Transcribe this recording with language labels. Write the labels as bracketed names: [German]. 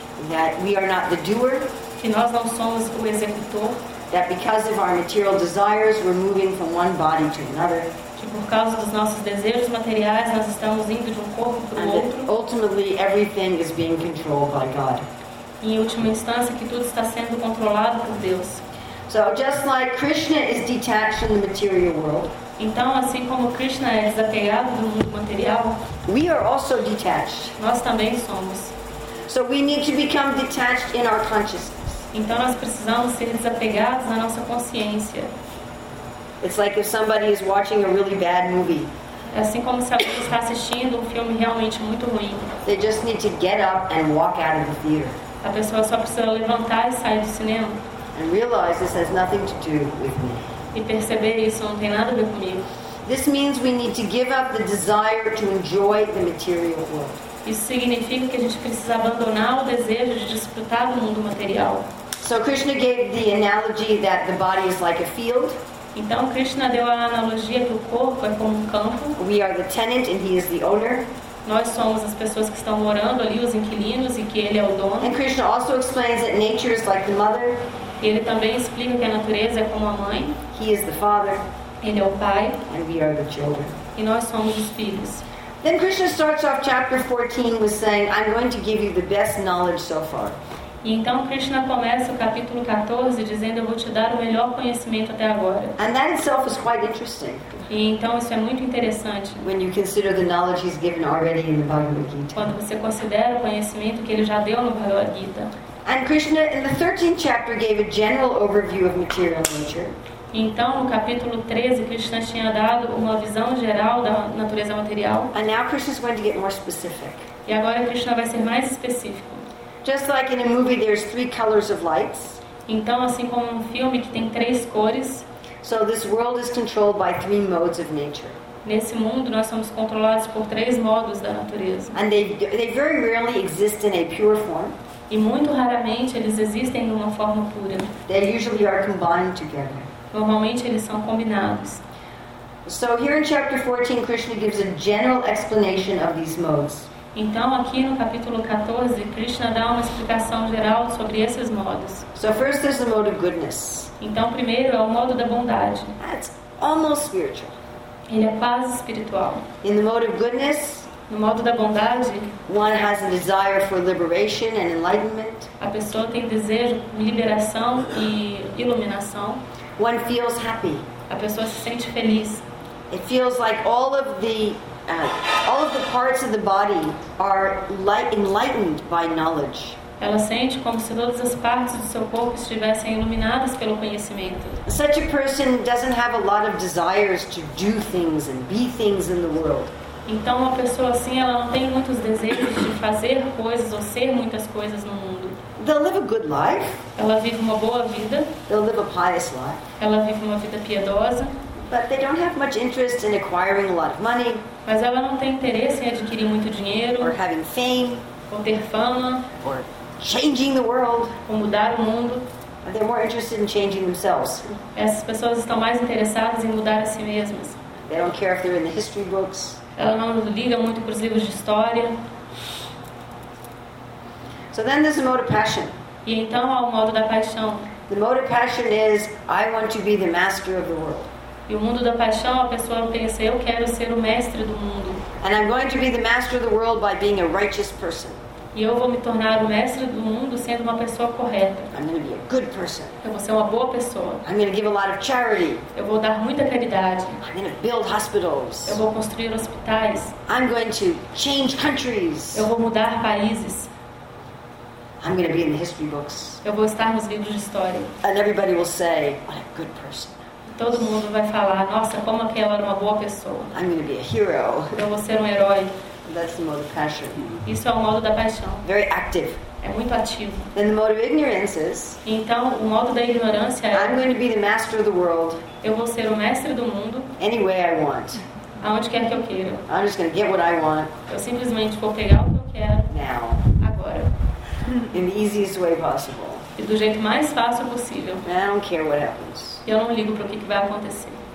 [English] That we are not the doer. [Portuguese] Que nós não somos o executor. [English] That because of our material desires, we're moving from one body to another. [Portuguese] Que por causa dos nossos desejos materiais, nós estamos indo de corpo para [English] and [Portuguese] outro. [English] Ultimately, everything is being controlled by God. [Portuguese] Em última instância, que tudo está sendo controlado por Deus. [English] So just like Krishna is detached from the material world. [Portuguese] Então, assim como Krishna é desapegado do mundo material, [English] we are also detached. [Portuguese] Nós também somos. [English] So we need to become detached in our consciousness. [Portuguese] Então nós precisamos ser desapegados na nossa consciência. [English] It's like if somebody is watching a really bad movie. [Portuguese] É assim como se alguém está assistindo um filme realmente muito ruim. [English] They just need to get up and walk out of the theater. [Portuguese] A pessoa só precisa levantar e sair do cinema. [English] And realize this has nothing to do with me. [Portuguese] E perceber isso não tem nada a ver comigo. [English] This means we need to give up the desire to enjoy the material world. [Portuguese] Isso significa que a gente precisa abandonar o desejo de desfrutar do mundo material. [English] So Krishna gave the analogy that the body is like a field. [Portuguese] Então Krishna deu a analogia que o corpo é como um campo. [English] We are the tenant and he is the owner. [Portuguese] Nós somos as pessoas que estão morando ali, os inquilinos, e que ele é o dono. [English] And Krishna also explains that nature is like the mother. [Portuguese] Ele também explica que a natureza é como a mãe. [English] He is the father. [Portuguese] Ele é o pai. [English] And we are the children. [Portuguese] E nós somos os filhos. [English] Then Krishna starts off chapter 14 with saying, I'm going to give you the best knowledge so far. [Portuguese] E então Krishna começa o capítulo 14 dizendo, eu vou te dar o melhor conhecimento até agora. [English] And that itself is quite interesting. [Portuguese] E então isso é muito interessante. [English] When you consider the knowledge he's given already in the Bhagavad Gita. [Portuguese] Quando você considera o conhecimento que ele já deu no Bhagavad Gita. [English] And Krishna in the 13th chapter gave a general overview of material nature. [Portuguese] Então, no capítulo 13, Krishna tinha dado uma visão geral da natureza material. [English] And now Krishna is going to get more specific. [Portuguese] E agora Krishna vai ser mais específico. [English] Just like in a movie, there's three colors of lights. [Portuguese] Então, assim como um filme que tem três cores. [English] So this world is controlled by three modes of nature. [Portuguese] Nesse mundo, nós somos controlados por três modos da natureza. [English] And they very rarely exist in a pure form. [Portuguese] E muito raramente eles existem numa forma pura. [English] They usually are combined together. [Portuguese] Normalmente eles são combinados. [English] So here in chapter 14, Krishna gives a general explanation of these modes. [Portuguese] Então, aqui no capítulo 14, Krishna dá uma explicação geral sobre esses modos. [English] So first there's the mode of goodness. [Portuguese] Então, primeiro é o modo da bondade. [English] That's almost spiritual. [Portuguese] Ele é quase espiritual. [English] In the mode of goodness, [Portuguese] no modo da bondade, [English] one has a desire for liberation and enlightenment. [Portuguese] A pessoa tem desejo de liberação e iluminação. [English] One feels happy. [Portuguese] A pessoa se sente feliz. [English] It feels like all of the parts of the body are enlightened by knowledge. [Portuguese] Ela sente como se todas as partes do seu corpo estivessem iluminadas pelo conhecimento. [English] Such a person doesn't have a lot of desires to do things and be things in the world. [Portuguese] Então, uma pessoa assim, ela não tem muitos desejos de fazer coisas ou ser muitas coisas no mundo. [English] They'll live a good life. [Portuguese] Ela vive uma boa vida. [English] They'll live a pious life. [Portuguese] Ela vive uma vida piedosa. [English] But they don't have much interest in acquiring a lot of money. [Portuguese] Mas ela não tem interesse em adquirir muito dinheiro. [English] Or having fame. [Portuguese] Ou ter fama. [English] Or changing the world. [Portuguese] Ou mudar o mundo. [English] They're more interested in changing themselves. [Portuguese] Essas pessoas estão mais interessadas em mudar a si mesmas. [English] They don't care if they're in the history books. [Portuguese] Ela não liga muito para os livros de história. [English] So then there's the mode of passion. [Portuguese] E então há o modo da paixão. [English] The mode of passion is I want to be the master of the world. [Portuguese] E o mundo da paixão, a pessoa pensa, eu quero ser o mestre do mundo. [English] And I'm going to be the master of the world by being a righteous person. [Portuguese] E eu vou me tornar o mestre do mundo sendo uma pessoa correta. [English] I'm going to be a good person. [Portuguese] Eu vou ser uma boa pessoa. [English] I'm going to give a lot of charity. [Portuguese] Eu vou dar muita caridade. [English] I'm going to build hospitals. [Portuguese] Eu vou construir hospitais. [English] I'm going to change countries. [Portuguese] Eu vou mudar países. [English] I'm going to be in the history books. [Portuguese] Eu vou estar nos livros de história. [English] And everybody will say, what a good person. [Portuguese] Todo mundo vai falar, nossa, como aquela era uma boa pessoa. [English] I'm going to be a hero. [Portuguese] Eu vou ser um herói. [English] That's the mode of passion. [Portuguese] Isso é o modo da paixão. [English] Very active. [Portuguese] É muito ativo. [English] Then the mode of ignorance is, [Portuguese] então, o modo da ignorância é, [English] I'm going to be the master of the world. [Portuguese] Eu vou ser o mestre do mundo. [English] Any way I want. [Portuguese] Aonde quer que eu queira. [English] I'm just going to get what I want. [Portuguese] Eu simplesmente vou pegar o que eu quero. [English] Now. [Portuguese] Agora. [English] In the easiest way possible. [Portuguese] E do jeito mais fácil possível. [English] I don't care what happens. [Portuguese] Eu não ligo para o que vai acontecer.